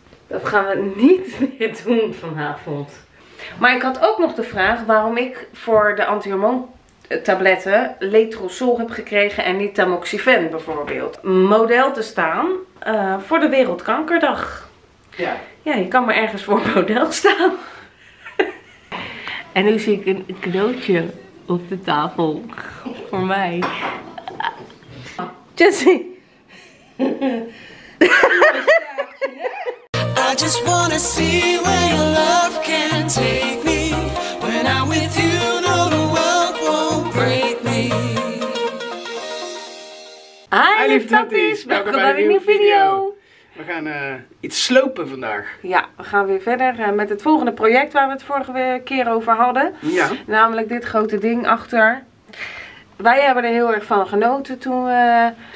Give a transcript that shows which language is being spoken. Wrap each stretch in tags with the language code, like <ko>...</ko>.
<nl>Dat gaan we niet meer doen vanavond. Maar ik had ook nog de vraag waarom ik voor de anti-hormoontabletten letrozol heb gekregen en niet tamoxifen bijvoorbeeld. Model te staan voor de Wereldkankerdag. Ja. Ja, je kan maar ergens voor model staan. En nu zie ik een cadeautje op de tafel voor mij. Jessie.</nl> <en>I just wanna see where your love can take me. When I'm with you, no, the world won't break me.</en> <nl>Hi lieve tatties, welkom bij een nieuwe video. We gaan iets slopen vandaag. Ja, we gaan weer verder met het volgende project waar we het vorige keer over hadden. Ja. Namelijk dit grote ding achter. Wij hebben er heel erg van genoten toen we...</nl>